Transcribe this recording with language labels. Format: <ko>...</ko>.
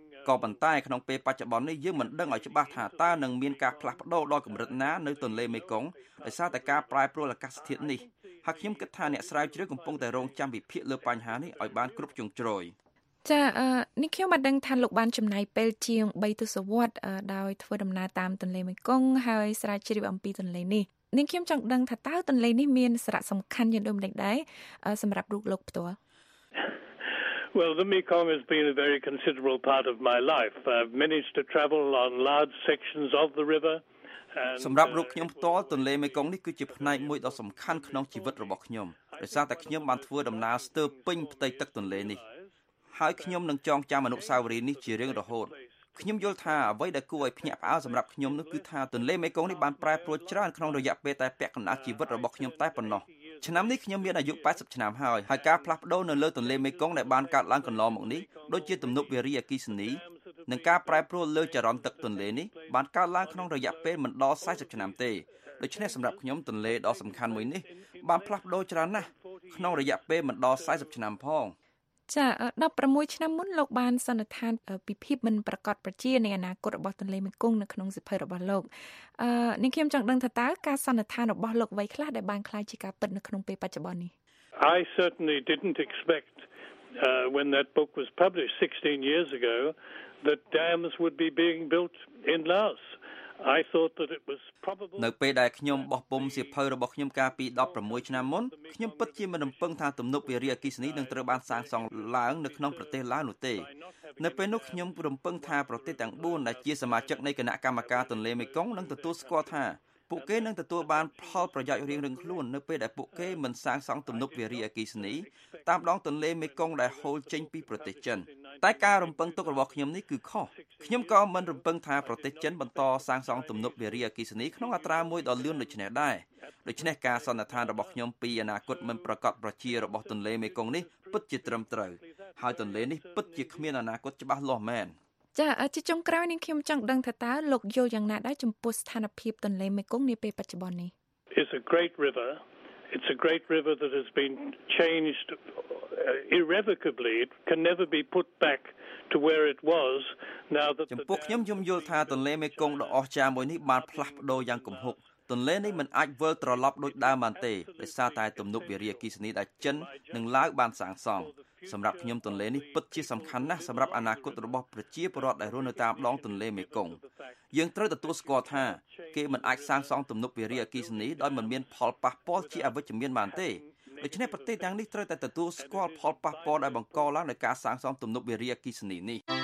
<km>ក៏ប៉ុន្តែក្នុងពេលបច្ចុប្បន្ននេះយើងមិនដឹងឲ្យច្បាស់ថាតើនឹងមានការផ្លាស់ប្ដូរដល់កម្រិតណានៅទន្លេមេគង្គដោយសារតែការប្រែប្រួលអាកាសធាតុនេះហើយខ្ញុំគិតថាអ្នកស្រាវជ្រាវកំពុងតែរងចាំវិភាគលើបញ្ហានេះឲ្យបានគ្រប់ជ្រុងជ្រោយ ចា៎នេះខ្ញុំបានដឹងថាលោកបានចំណាយពេលជាង3ទសវត្សដោយធ្វើដំណើរតាមទន្លេមេគង្គហើយស្រាវជ្រាវអំពីទន្លេនេះនេះខ្ញុំចង់ដឹងថាតើទន្លេនេះមានសារៈសំខាន់យ៉ាងដូចម្ដេចដែរសម្រាប់រូបលោកផ្ទាល់</km> <en>Well the Mekong has been a very considerable part of my life. I've managed to travel on large sections of the river.</en> <km>សម្រាប់រូបខ្ញុំផ្ទាល់ទន្លេមេគង្គនេះគឺជាផ្នែកមួយដ៏សំខាន់ក្នុងជីវិតរបស់ខ្ញុំដោយសារតែខ្ញុំបានធ្វើដំណើរស្ទើរពេញផ្ទៃទឹកទន្លេនេះហើយខ្ញុំនឹងចងចាំអនុស្សាវរីយ៍នេះជារៀងរហូតខ្ញុំយល់ថាអ្វីដែលគួរឲ្យភ្ញាក់ផ្អើលសម្រាប់ខ្ញុំនោះគឺថាទន្លេមេគង្គនេះបានប្រែប្រួលច្រើនក្នុងរយៈពេលតែពាក់កណ្ដាលជីវិតរបស់ខ្ញុំតែប៉ុណ្ណោះឆ្នាំនេះខ្ញុំមានអាយុ80ឆ្នាំហើយហើយការផ្លាស់ប្ដូរនៅលើទន្លេមេគង្គដែលបានកើតឡើងកន្លងមកនេះដូចជាទំនប់វារីអគ្គិសនី នឹងការប្រែប្រួលលើចរន្តទឹកទន្លេនេះបានកើតឡើងក្នុងរយៈពេលមិនដល់40ឆ្នាំទេដូច្នេះសម្រាប់ខ្ញុំទន្លេដ៏សំខាន់មួយនេះបានផ្លាស់ប្ដូរច្រើនណាស់ក្នុងរយៈពេលមិនដល់40ឆ្នាំផង ចា16ឆ្នាំមុនលោកបានសន្និដ្ឋានពិភពមិនប្រកាសប្រជានៃអនាគតរបស់ទន្លេមេគង្គនៅក្នុងសិភ័យរបស់លោកនេះខ្ញុំចង់ដឹងថាតើការសន្និដ្ឋានរបស់លោកអ្វីខ្លះដែលបានខ្លាយជាការពិតនៅក្នុងពេលបច្ចុប្បន្ននេះ</km> <en>I certainly didn't expectwhen that book was published 16 years ago that dams would be being built in Laos I thought that it was probable</en> <km>នៅពេលដែលខ្ញុំបោះពុំសៀវភៅរបស់ខ្ញុំកាលពី16ឆ្នាំមុនខ្ញុំពិតជាមិនរំពឹងថាទំនប់វារីអគ្គិសនីនឹងត្រូវបានសាងសង់ឡើងនៅក្នុងប្រទេសឡាវនោះទេនៅពេលនោះខ្ញុំរំពឹងថាប្រទេសទាំង4ដែលជាសមាជិកនៃគណៈកម្មការទន្លេមេគង្គនឹងទទួលស្គាល់ថាពួកគេនឹងទទួលបានផលប្រយោជន៍រៀងៗខ្លួននៅពេលដែលពួកគេមិនសាងសង់ទំនប់វារីអគ្គិសនី តាមដងទន្លេមេគង្គដែលហូរចេញពីប្រទេសចិនតែការរំពឹងទុករបស់ខ្ញុំនេះគឺខុសខ្ញុំក៏មិនរំពឹងថាប្រទេសចិនបន្តសាងសង់ទំនប់វារីអគ្គិសនីក្នុងអត្រាមួយដ៏លឿនដូចនេះដែរដូច្នេះការសន្និដ្ឋានរបស់ខ្ញុំពីអនាគតមិនប្រកាសប្រជារបស់ទន្លេមេគង្គនេះពិតជាត្រឹមត្រូវហើយទន្លេនេះពិតជាគ្មានអនាគតច្បាស់លាស់មែន ចាអាចជុំក្រោយនេះខ្ញុំចង់ដឹងថាតើលោកយល់យ៉ាងណាដែរចំពោះស្ថានភាពទន្លេមេគង្គនាពេលបច្ចុប្បន្ននេះ</km> <en>It's a great river. It's a great river that has been changed irrevocably. It can never be put back to where it was. Now that</en> <km>ចំពោះខ្ញុំយល់ថាទន្លេមេគង្គដ៏អស្ចារ្យមួយនេះបានផ្លាស់ប្ដូរយ៉ាងគំហុកទន្លេនេះមិនអាចវិលត្រឡប់ដូចដើមបានទេដោយសារតែទំនប់វារីអគ្គិសនីដែលចិននិងឡាវបានសាងសង់សម្រាប់ខ្ញុំទន្លេនេះពិតជាសំខាន់ណាស់សម្រាប់អនាគតរបស់ប្រជាពលរដ្ឋដែលរស់នៅតាមដងទន្លេមេគង្គយើងត្រូវទទួលស្គាល់ថាគេមិនអាចសាងសង់ទំនប់វារីអគ្គិសនីដោយមិនមានផលប៉ះពាល់ជាអវិជ្ជមានបានទេដូច្នេះប្រទេសទាំងនេះត្រូវតែទទួលស្គាល់ផលប៉ះពាល់ដែលបង្កឡើងដោយការសាងសង់ទំនប់វារីអគ្គិសនីនេះ</km>